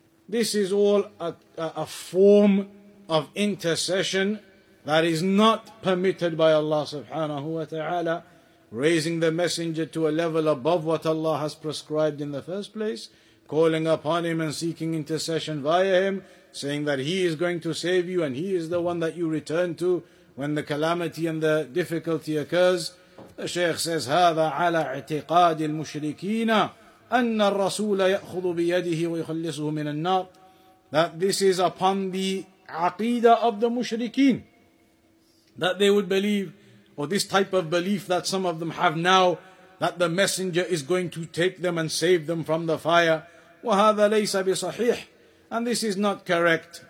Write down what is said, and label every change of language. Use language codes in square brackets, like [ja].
[en] This is all a form of intercession that is not permitted by Allah subhanahu wa ta'ala, raising the messenger to a level above what Allah has prescribed in the first place, calling upon him and seeking intercession via him, saying that he is going to save you and he is the one that you return to when the calamity and the difficulty occurs. The Shaykh says, [ar] هذا على اعتقاد المشركين أن الرسول يأخذ بيده ويخلصه من النار. [en] That this is upon the aqeedah of the mushrikeen, that they would believe, or this type of belief that some of them have now, that the messenger is going to take them and save them from the fire. [ar] وَهَذَا لَيْسَ بِصَحِيحٍ. [en] And this is not correct.